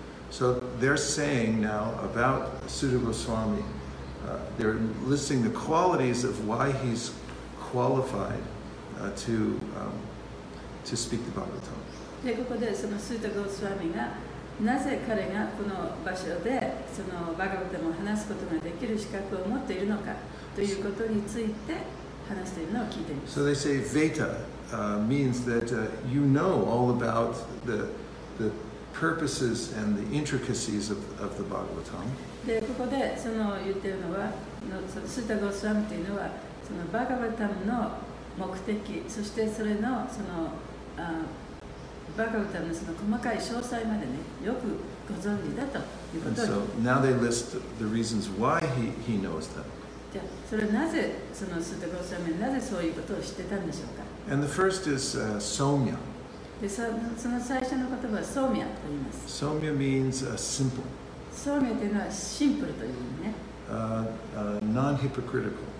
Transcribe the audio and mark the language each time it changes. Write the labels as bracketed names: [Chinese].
[English] So they're saying now about Suta Goswami, they're listing the qualities of why he's qualified to speak the Bhagavatam. [Japanese] でここでそのスータゴスワミがなぜ彼がこの場所でそのバガヴァタも話すことができる資格を持っているのかということについて話しているのを聞いています。 [English] So they say Veta means that you know all about the purposes and the intricacies of the Bhagavatam. [Japanese] でここでその言っているのはスータゴスワミというのはそのバガヴァタムの目的そしてそれのそのバガヴァタムのその細かい詳細までねよくご存知だということを。 [English] And so now they list the reasons why he knows them. [Japanese] じゃそれなぜそのスータゴスワミなぜそういうことを知ってたんでしょうか。 [English] And the first is Somya. [Japanese] でその最初の言葉は Somya と言います。 [English] Somya means simple. [Japanese] Somya というのはシンプルという意味ね。 [English] Non-hypocritical.